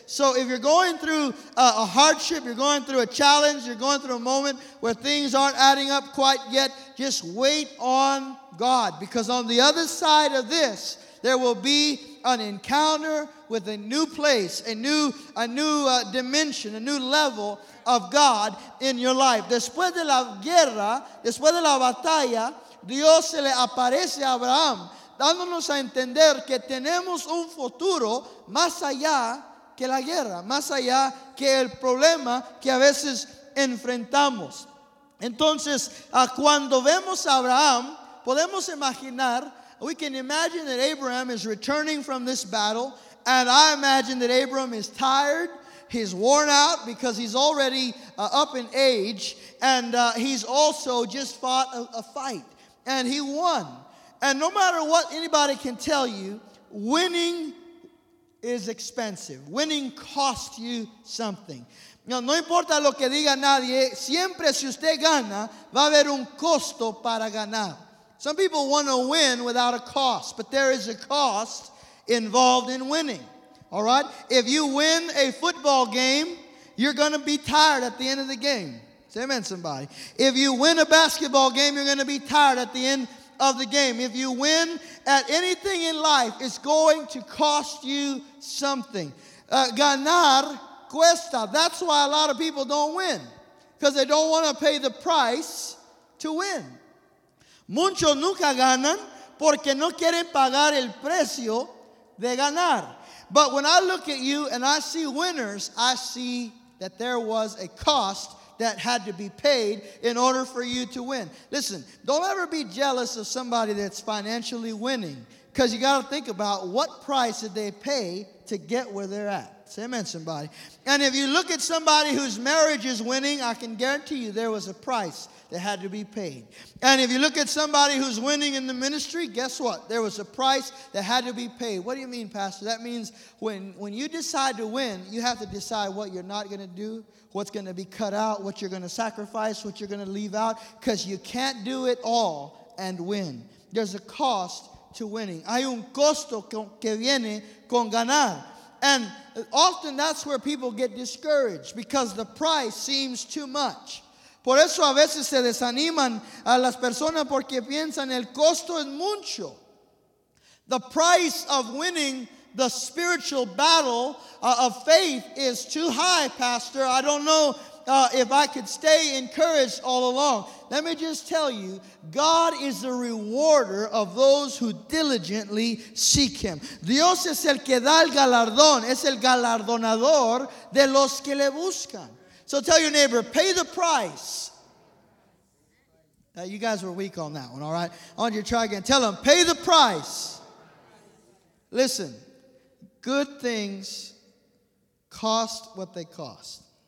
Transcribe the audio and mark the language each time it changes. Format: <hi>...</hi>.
<en>So if you're going through a hardship, you're going through a challenge, you're going through a moment where things aren't adding up quite yet, just wait on God. Because on the other side of this, there will be an encounter with a new place, a new dimension, a new level of God in your life.</en> <es>Después de la guerra, después de la batalla, Dios se le aparece a Abraham, dándonos a entender que tenemos un futuro más allá que la guerra, más allá que el problema que a veces enfrentamos. Entonces, cuando vemos a Abraham, podemos imaginar,</es> <en>we can imagine that Abraham is returning from this battle, and I imagine that Abraham is tired, he's worn out because he's already up in age, and he's also just fought a fight, and he won. And no matter what anybody can tell you, winning is expensive. Winning costs you something.</en> <es>No importa lo que diga nadie, siempre si usted gana, va a haber un costo para ganar.</es> <en>Some people want to win without a cost, but there is a cost involved in winning. All right? If you win a football game, you're going to be tired at the end of the game. Say amen, somebody. If you win a basketball game, you're going to be tired at the end of the game. If you win at anything in life, it's going to cost you something.</en> <es>Ganar cuesta.</es> <en>That's why a lot of people don't win, because they don't want to pay the price to win.</en> <es>Muchos nunca ganan porque no quieren pagar el precio de ganar.</es> <en>But when I look at you and I see winners, I see that there was a cost that had to be paid in order for you to win. Listen, don't ever be jealous of somebody that's financially winning, because you got to think about what price did they pay to get where they're at. Say amen, somebody. And if you look at somebody whose marriage is winning, I can guarantee you there was a price that had to be paid. And if you look at somebody who's winning in the ministry, guess what? There was a price that had to be paid. What do you mean, Pastor? That means when you decide to win, you have to decide what you're not going to do, what's going to be cut out, what you're going to sacrifice, what you're going to leave out, because you can't do it all and win. There's a cost to winning.</en> <es>Hay un costo que viene con ganar.</es> <en>And often that's where people get discouraged, because the price seems too much.</en> <es>Por eso a veces se desaniman a las personas porque piensan el costo es mucho.</es> <en>The price of winning the spiritual battle of faith is too high, Pastor. I don't know if I could stay encouraged all along. Let me just tell you, God is the rewarder of those who diligently seek Him.</en> <es>Dios es el que da el galardón, es el galardonador de los que le buscan.</es> <en>So tell your neighbor, pay the price. You guys were weak on that one, all right? I want you to try again. Tell them, pay the price. Listen, good things cost what they cost.</en>